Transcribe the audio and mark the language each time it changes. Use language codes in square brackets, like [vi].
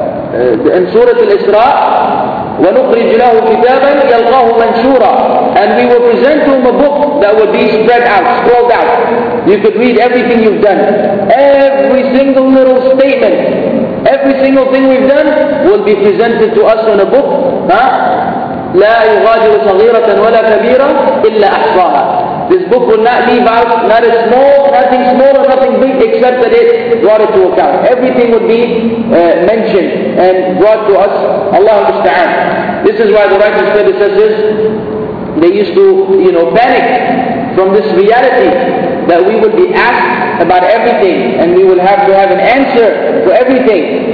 [en] In Surah Al-Isra, [ar] وَنُخْرِجْ لَهُ كِتَابًا يَلْقَاهُ مَنْشُورًا. [en] And we will present to him a book that will be spread out, scrolled out. You could read everything you've done. Every single little statement, every single thing we've done will be presented to us in a book. [ar] لا يغادر صغيرة ولا كبيرة إلا أحصاها. [en] This book will not leave out, not a small, nothing small or nothing big, except that it brought it to account. Everything would be mentioned and brought to us. [ar] Allahu musta'an. [en] This is why the writer's predecessors, they used to, you know, panic from this reality that we would be asked about everything and we will have to have an answer for everything.